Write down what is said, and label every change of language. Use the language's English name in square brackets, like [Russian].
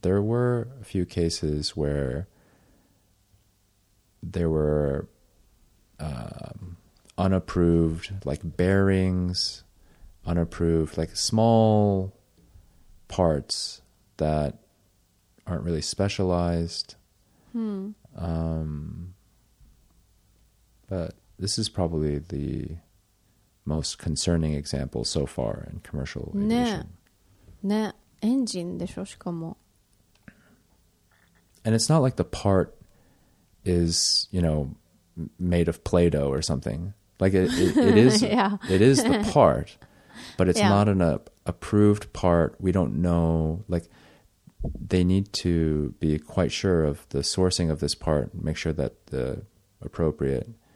[English] There were a few cases where there were unapproved, like bearings, unapproved, like small parts that aren't really specialized. But... This is probably the most concerning example so far in commercial aviation. [Japanese] ね、ね、エンジンでしょ、しかも。 [English] And it's not like the part is, you know, made of Play-Doh or something. Like it is, yeah. It is the part, but it's not an approved part. We don't know. Like they need to be quite sure of the sourcing of this part, make sure that the appropriate...